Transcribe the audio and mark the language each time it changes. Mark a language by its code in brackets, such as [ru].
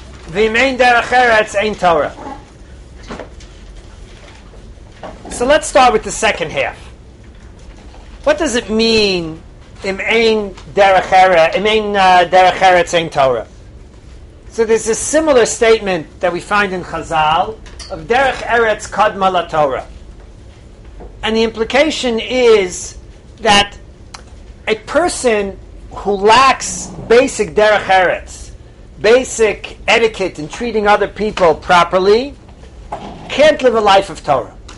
[he] V'im ein derech eretz, ein Torah." [en] So let's start with the second half. What does it mean, [he] im ein derech eretz, ein Torah? [en] So there's a similar statement that we find in Chazal of [he] derech eretz kadma la Torah. [en] And the implication is that a person who lacks basic derech eretz, basic etiquette in treating other people properly, can't live a life of Torah.